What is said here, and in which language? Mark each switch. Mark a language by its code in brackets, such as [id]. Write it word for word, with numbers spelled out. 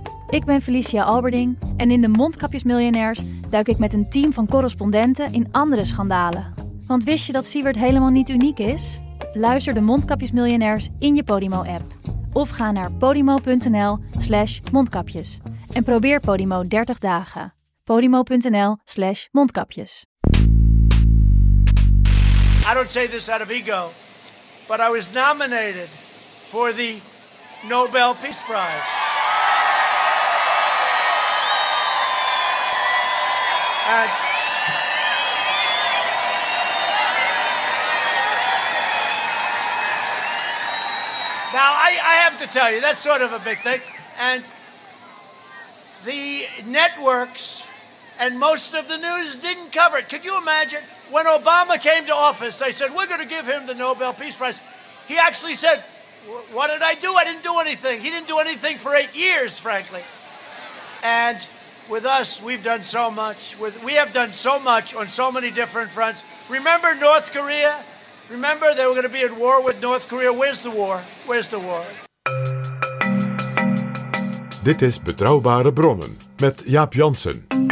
[nl] Ik ben Felicia Alberding en in de Mondkapjesmiljonairs duik ik met een team van correspondenten in andere schandalen. Want wist je dat Siewert helemaal niet uniek is? Luister de Mondkapjesmiljonairs in je Podimo-app. Of ga naar podimo.nl slash mondkapjes en probeer Podimo dertig dagen. Podimo.nl slash mondkapjes. [en] I don't say this out of ego, but I was nominated for the Nobel Peace Prize. And now I, I have to tell you, that's sort of a big thing. And the networks and most of the news didn't cover it. Could you imagine? When Obama came to office, they said, we're going to give him the Nobel Peace Prize. He actually said, what did I do? I didn't do anything. He didn't do anything for eight years, frankly. And with us, we've done so much. With, we have done so much on so many different fronts. Remember North Korea? Remember they were going to be at war with North Korea. Where's the war? Where's the war? [nl] Dit is Betrouwbare Bronnen met Jaap Janssen.